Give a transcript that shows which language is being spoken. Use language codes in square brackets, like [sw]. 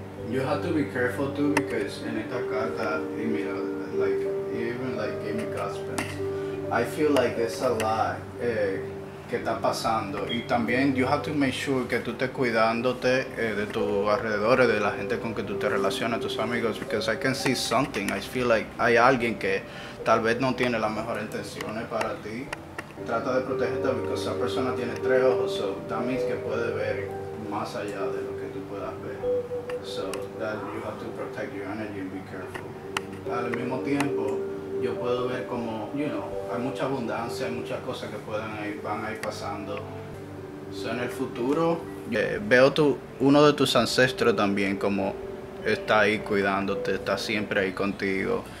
[en] You have to be careful too, because [es] en esta carta, y mira, [en] like, even like give me gospels, I feel like there's a lot [es] que está pasando. Y también, [en] you have to make sure [es] que tú estés cuidándote de tus alrededores, de la gente con que tú te relacionas, tus amigos, [en] because I can see something. I feel like [es] hay alguien que tal vez no tiene las mejores intenciones para ti. Trata de protegerte, porque esa persona tiene tres ojos, [en] so that means [es] que puede ver más allá de lo que tú puedas ver. [en] So, that you have to protect your energy and be careful. [es] Al mismo tiempo, yo puedo ver como, you know, hay mucha abundancia, hay muchas cosas que pueden ir, van a ir pasando. So, en el futuro, veo uno de tus ancestros también como está ahí cuidándote, está siempre ahí contigo.